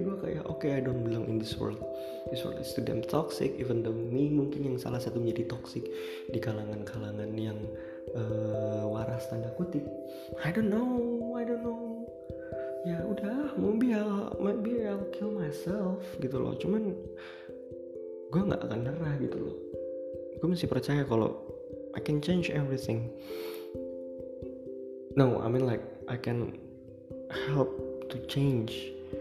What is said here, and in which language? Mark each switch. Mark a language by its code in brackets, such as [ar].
[id] Gue kayak [en] okay, I don't belong in this world. This world is too damn toxic. Even though me [id] mungkin yang salah satu menjadi toxic di kalangan-kalangan yang waras tanda kutip. [en] I don't know. [id] Ya udah, [en] maybe I'll kill myself [id] gitu loh. Cuman gue gak akan nyerah gitu loh. Gue masih percaya kalau [en] I can change everything. No, I mean like I can help to change.